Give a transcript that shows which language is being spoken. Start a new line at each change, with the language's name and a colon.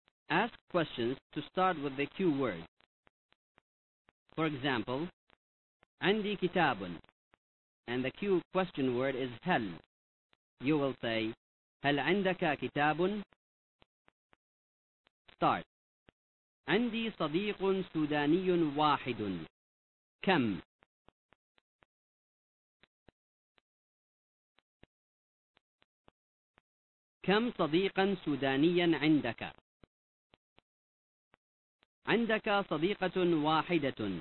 English: Ask questions to start with the cue words. For example,
Arabic: عندي كتاب.
English: And the cue question word is هل. You will say,
Arabic: هل عندك كتاب؟
English: Start.
Arabic: عندي صديق سوداني واحد. كم؟ كم صديقا سودانيا عندك؟ عندك صديقة واحدة.